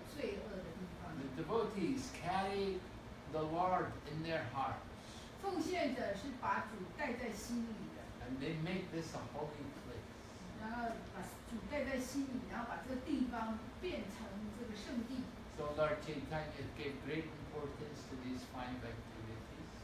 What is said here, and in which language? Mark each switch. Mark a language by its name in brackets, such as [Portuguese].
[English] The devotees carry the Lord in their hearts. [Chinese] 奉献者是把主带在心里的。 [English] And they make this a holy place. [Chinese] 然后把主带在心里, 然后把这个地方变成这个圣地。 [English] So Lord Chaitanya gave great importance to these five activities.